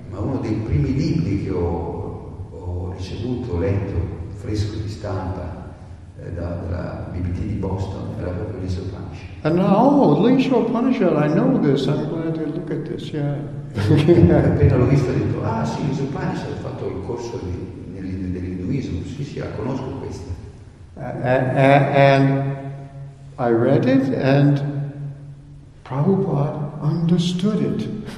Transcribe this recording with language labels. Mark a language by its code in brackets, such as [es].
[it] Ma uno dei primi libri che ricevuto, letto, fresco di stampa dalla BBT di Boston, era proprio l'Isha Upanishad. [en] L'Isha Upanishad, I know this, I'm glad to look at this, yeah. [it] Appena l'ho visto ho detto, sì, l'Isha Upanishad, ho fatto il corso dell'induismo, sì, la conosco questa. [en] And I read it and Prabhupada understood it.